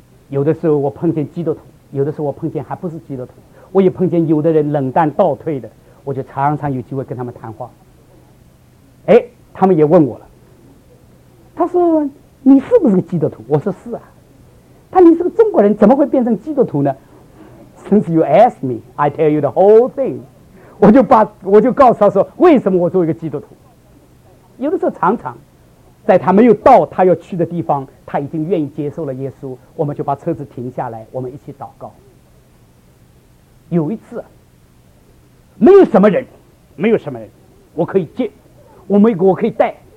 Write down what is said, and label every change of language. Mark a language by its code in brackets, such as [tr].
[zh] 有的时候我碰见基督徒，有的时候我碰见还不是基督徒，我也碰见有的人冷淡倒退的，我就常常有机会跟他们谈话。哎，他们也问我了，他说你是不是个基督徒？我说是啊。他你是个中国人，怎么会变成基督徒呢？ [en] Since you ask me, I tell you the whole thing。 [zh] 我就告诉他说为什么我做一个基督徒。有的时候常常在他没有到他要去的地方，他已经愿意接受了耶稣，我们就把车子停下来，我们一起祷告。有一次没有什么人，没有什么人，我可以接，我可以带。